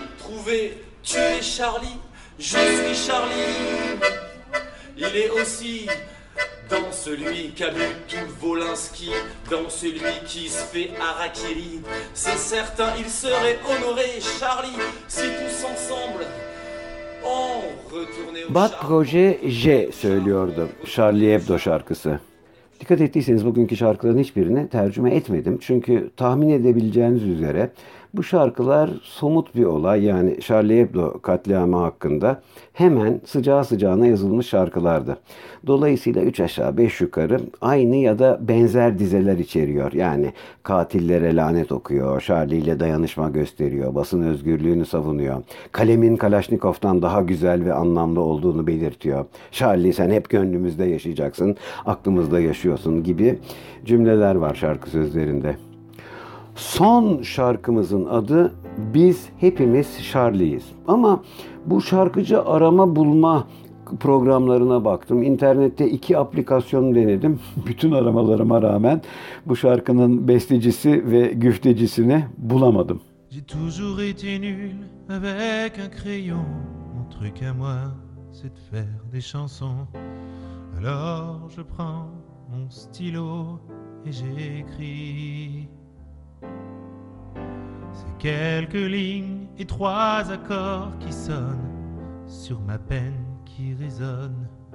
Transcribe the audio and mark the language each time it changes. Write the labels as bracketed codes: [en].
[fr] Trouver, tu es Charlie, je suis Charlie. Il est aussi dans celui qui a bu tout Volinsky, dans celui qui se fait harakiri. C'est certain, il serait honoré, Charlie, si tous ensemble on retournait au [tr] Bat Proje J söylüyordu, Charlie Hebdo şarkısı. Dikkat ettiyseniz bugünkü şarkıların hiçbirini tercüme etmedim. Çünkü tahmin edebileceğiniz üzere bu şarkılar somut bir olay, yani Charlie Hebdo katliamı hakkında hemen sıcağı sıcağına yazılmış şarkılardı. Dolayısıyla 3 aşağı 5 yukarı aynı ya da benzer dizeler içeriyor. Yani katillere lanet okuyor, Charlie ile dayanışma gösteriyor, basın özgürlüğünü savunuyor. Kalemin Kalaşnikov'tan daha güzel ve anlamlı olduğunu belirtiyor. Charlie sen hep gönlümüzde yaşayacaksın, aklımızda yaşıyorsun gibi cümleler var şarkı sözlerinde. Son şarkımızın adı Biz Hepimiz Charlie'yiz. Ama bu şarkıcı arama bulma programlarına baktım. İnternette iki aplikasyon denedim. Bütün aramalarıma rağmen bu şarkının bestecisi ve güftecisini bulamadım. [fr] J'ai toujours été nul avec un crayon. Mon truc à moi c'est de faire des chansons. Alors je prends mon stylo et j'écris. C'est quelques lignes et trois accords qui sonnent sur ma peine qui résonne.